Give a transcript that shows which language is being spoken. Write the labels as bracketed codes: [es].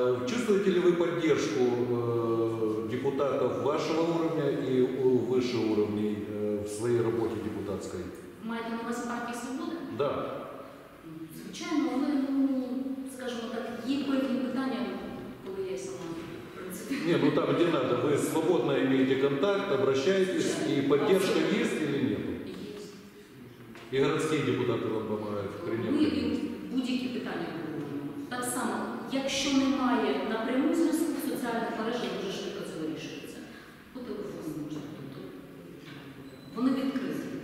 [uk] Чувствуєте ли ви підтримку депутатів вашого рівня і вищого рівня в своїй роботі депутатській? Маєте на вас партії «Свобода»? Так. Да. Звичайно, але, скажімо так, є певні питання, коли я сама. [ru] Не, ну там где надо, вы свободно имеете контакт, обращаетесь, и поддержка есть или нет? Есть. И городские депутаты вам помогают в принятии? [uk] Мы будь-які питання проводимо. Так само, якщо немає напряму зв'язку, соціальна мережа дуже швидко це вирішується. По телефону можна. Вони відкриті.